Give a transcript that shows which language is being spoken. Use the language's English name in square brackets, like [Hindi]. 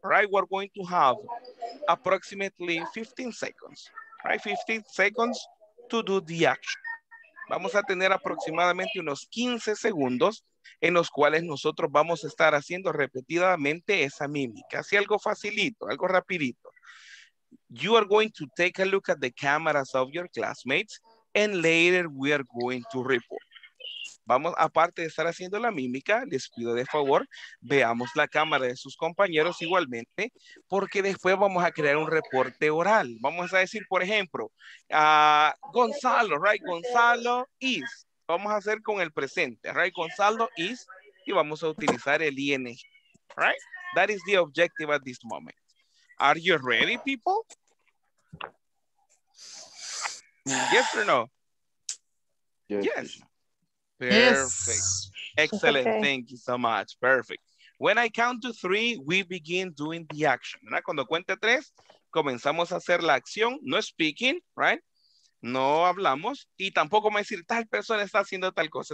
[English] Right, we're going to have approximately 15 seconds. Right, 15 seconds to do the action. [Spanish] Vamos a tener aproximadamente unos 15 segundos en los cuales nosotros vamos a estar haciendo repetidamente esa mímica. Así algo facilito, algo rapidito. [English] You are going to take a look at the cameras of your classmates and later we are going to report. [Spanish] Vamos, aparte de estar haciendo la mímica, les pido de favor, veamos la cámara de sus compañeros igualmente, porque después vamos a crear un reporte oral. Vamos a decir, por ejemplo, Gonzalo, [English] right? Gonzalo is. [Spanish] Vamos a hacer con el presente, [English] right? Gonzalo is, [Spanish] y vamos a utilizar el ing, [English] right? That is the objective at this moment. Are you ready, people? Yes or no? Yes. Perfect. Yes. Excellent. Okay. Thank you so much. Perfect. When I count to three, we begin doing the action. [Spanish] ¿Verdad? Cuando cuente tres, comenzamos a hacer la acción. [English] No speaking, right? [Spanish] No hablamos. Y tampoco me decir, tal persona está haciendo tal cosa.